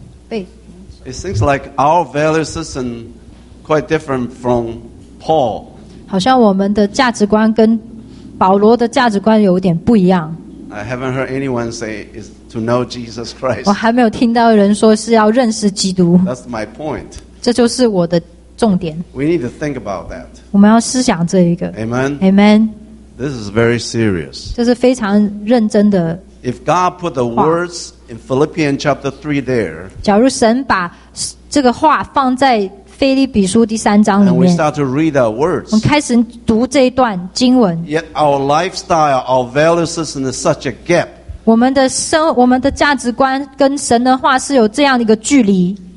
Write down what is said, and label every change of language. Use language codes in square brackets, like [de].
[en] It seems like our value system quite different from... Paul, [zh] 好像我们的价值观跟保罗的价值观有点不一样。 [en] I haven't heard anyone say is to know Jesus Christ. [zh] 我还没有听到人说是要认识基督。 [en] That's my point. [zh] 这就是我的重点。 [en] We need to think about that. [zh] 我们要思想这一个。 [en] Amen. Amen. This is very serious. [zh] 这是非常认真的。 [en] If God put the words in Philippians chapter 3 there, [zh] 假如神把这个话放在腓立比书第三章里面。 [en] And we start to read our words. [zh] 我们开始读这一段经文。 [en] Yet our lifestyle, our values is in such a gap. [zh] 我们的价值观跟神的话是有这样的一个距离。